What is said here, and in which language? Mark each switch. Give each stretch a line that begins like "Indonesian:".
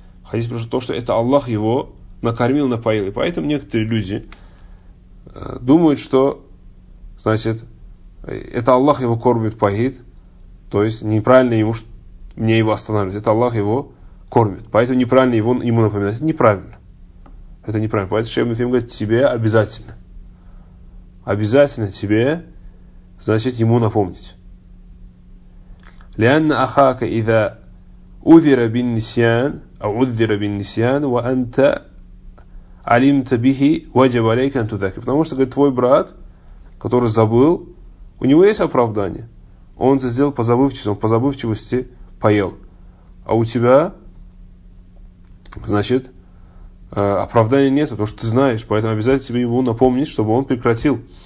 Russian: В хадисе пришло то, что это Аллах его накормил, напоил. И поэтому некоторые люди думают, что значит, это Аллах его кормит, поит. То есть неправильно ему, мне его останавливать. Это Аллах его кормит. Поэтому неправильно его, ему напоминать. Это неправильно. Это неправильно. Поэтому шейх Мухаммад говорит, тебе обязательно. Обязательно тебе значит, ему напомнить.
Arabic: لأن أخاك إذا أذر بالنسيان أو أذر بالنسيان وأنت علمت به وجب عليك أن تذكر.
Russian: Потому что, говорит, твой брат, который забыл, у него есть оправдание. Он это сделал по забывчивости, он по забывчивости поел. А у тебя значит, оправдания нет, потому что ты знаешь, поэтому обязательно тебе ему напомнить, чтобы он прекратил.